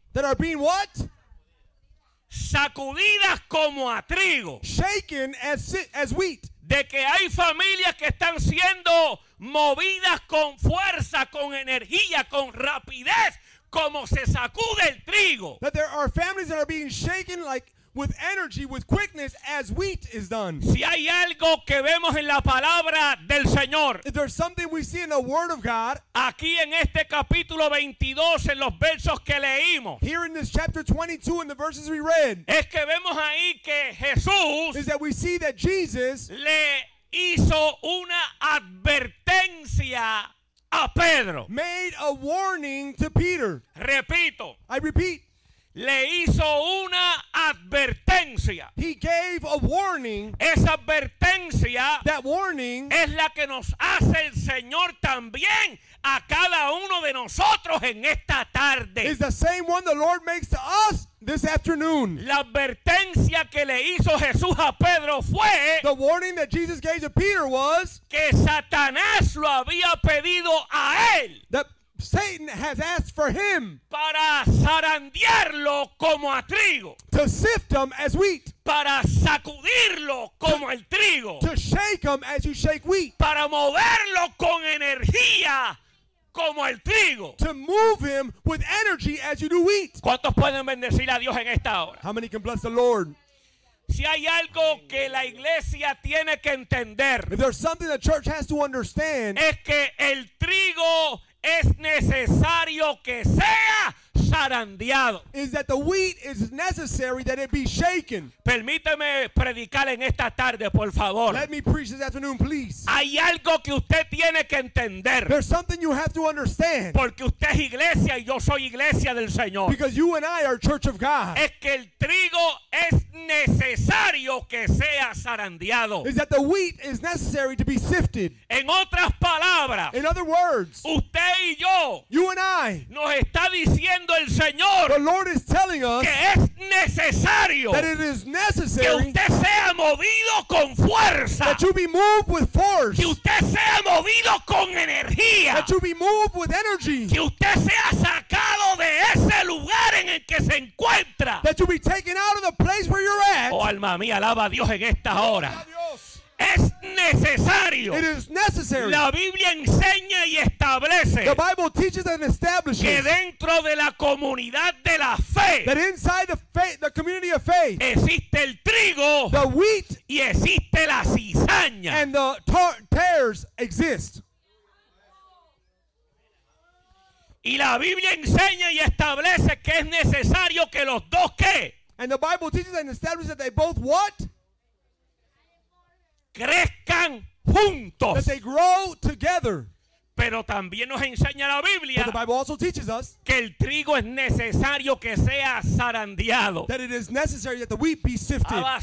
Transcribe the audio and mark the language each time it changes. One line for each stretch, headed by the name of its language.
English: that are being what?
Spanish: Sacudidas como a trigo,
English: shaken as wheat.
Spanish: De que hay familias que están siendo movidas con fuerza, con energía, con rapidez, como se sacude el trigo.
English: That there are families that are being shaken like with energy, with quickness, as wheat is done.
Spanish: Si hay algo que vemos en la palabra del Señor,
English: if there's something we see in the word of God,
Spanish: aquí en este capítulo 22, en los versos que leímos,
English: here in this chapter 22, in the verses we read,
Spanish: es que vemos ahí que Jesús,
English: is that we see that Jesus,
Spanish: le hizo una advertencia a Pedro.
English: Made a warning to Peter.
Spanish: Repito.
English: I repeat.
Spanish: Le hizo una advertencia.
English: He gave a warning.
Spanish: Esa advertencia,
English: that warning,
Spanish: es la que nos hace el Señor también a cada uno de nosotros en esta tarde.
English: Is the same one the Lord makes to us this afternoon.
Spanish: La advertencia que le hizo Jesús a Pedro fue,
English: the warning that Jesus gave to Peter was,
Spanish: que Satanás lo había pedido a él,
English: that Satan has asked for him,
Spanish: para zarandearlo como a trigo,
English: to sift him as wheat,
Spanish: para sacudirlo como el trigo,
English: to shake him as you shake wheat,
Spanish: para moverlo con energía como el trigo,
English: to move him with energy as you do wheat.
Spanish: ¿Cuántos pueden bendecir a Dios en esta hora?
English: How many can bless the Lord?
Spanish: Si hay algo que la iglesia tiene que entender,
English: if there's something the church has to understand,
Spanish: es que el trigo es necesario que sea zarandeado.
English: Is that the wheat is necessary that it be shaken.
Spanish: Permíteme predicar en esta tarde, por favor.
English: Let me preach this afternoon, please.
Spanish: Hay algo que usted tiene que entender.
English: There's something you have to understand.
Spanish: Porque usted es iglesia y yo soy iglesia del Señor.
English: Because you and I are church of God.
Spanish: Es que el trigo es necesario que sea zarandeado.
English: Is that the wheat is necessary to be sifted.
Spanish: En otras palabras,
English: in other words,
Spanish: usted y yo,
English: you and I,
Spanish: nos está diciendo el Señor,
English: the Lord is telling us,
Spanish: que es necesario,
English: that it is necessary,
Spanish: que usted sea movido con fuerza,
English: that you be moved with force,
Spanish: que usted sea movido con energía,
English: that you be moved with energy,
Spanish: que usted sea sacado de ese lugar en el que se encuentra,
English: that you be taken out of the place where you're at.
Spanish: Oh, alma mía, alaba a Dios en esta hora. Es necesario.
English: It is necessary.
Spanish: La Biblia enseña y establece,
English: the Bible teaches and establishes,
Spanish: que dentro de la comunidad de la fe,
English: that inside the faith, the community of faith,
Spanish: existe el trigo,
English: the wheat,
Spanish: y existe la cizaña,
English: and the tares exist.
Spanish: Y la Biblia enseña y establece que es necesario que los dos qué.
English: And the Bible teaches and establishes that they both what?
Spanish: Crezcan juntos.
English: That they grow together.
Spanish: Pero también nos enseña la Biblia,
English: but the Bible also teaches us,
Spanish: que el trigo es necesario que sea zarandeado.
English: That it is necessary that the wheat be sifted.